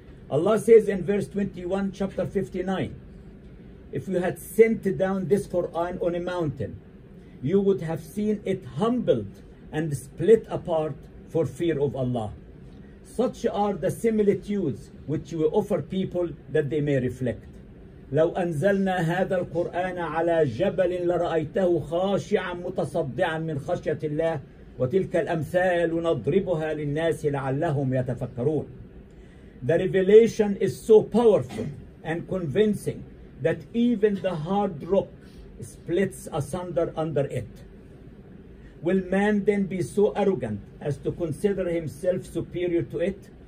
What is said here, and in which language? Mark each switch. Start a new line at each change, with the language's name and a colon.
English: Allah says in verse 21, chapter 59, if you had sent down this Quran on a mountain, you would have seen it humbled and split apart for fear of Allah. Such are the similitudes which we offer people that they may reflect.
Arabic: لو أنزلنا هذا القرآن على جبل لرأيته خاشعا متصدعا من خشية الله وتلك الأمثال نضربها للناس لعلهم يتفكرون.
English: The revelation is so powerful and convincing that even the hard rock splits asunder under it. Will man then be so arrogant as to consider himself superior to it?